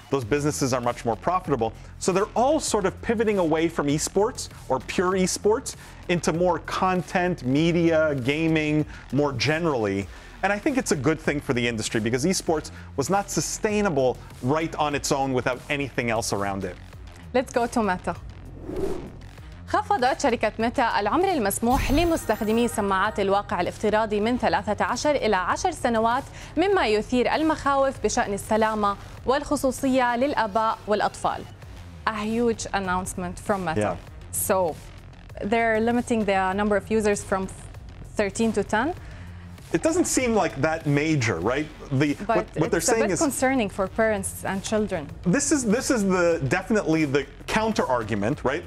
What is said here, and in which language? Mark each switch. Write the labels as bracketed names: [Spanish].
[English] Those businesses are much more profitable. So they're all sort of pivoting away from esports or pure esports into more content, media, gaming, more generally. And I think it's a good thing for the industry because esports was not sustainable right on its own without anything else around it. Let's go to Meta. [Arabic] خفضت شركة ميتا العمر المسموح لمستخدمي سماعات الواقع الافتراضي من 13 إلى 10 سنوات، مما يثير المخاوف بشأن السلامة والخصوصية للآباء والأطفال. [English] A huge announcement from Meta. Yeah. So they're limiting the number of users from 13 to 10. It doesn't seem like that major, right? What they're saying is it's a bit concerning for parents and children. This is the definitely the counter argument, right?